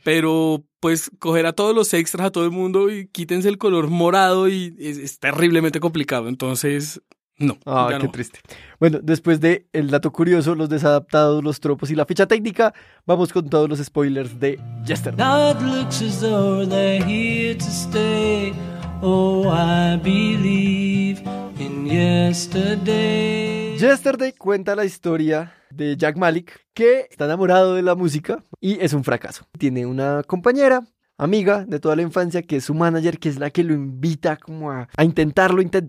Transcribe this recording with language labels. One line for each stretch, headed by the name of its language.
Spanish: Pero, pues, coger a todos los extras, a todo el mundo, y quítense el color morado, y es terriblemente complicado. Entonces, no. Ah, qué triste. Bueno, después de el dato curioso, los desadaptados, los tropos y la ficha técnica, vamos con todos los spoilers de Yesterday.
English: Now it looks as though they're here to stay. Oh, I believe in yesterday.
Spanish: Yesterday cuenta la historia de Jack Malik, que está enamorado de la música y es un fracaso. Tiene una compañera, amiga de toda la infancia, que es su manager, que es la que lo invita como a intentarlo.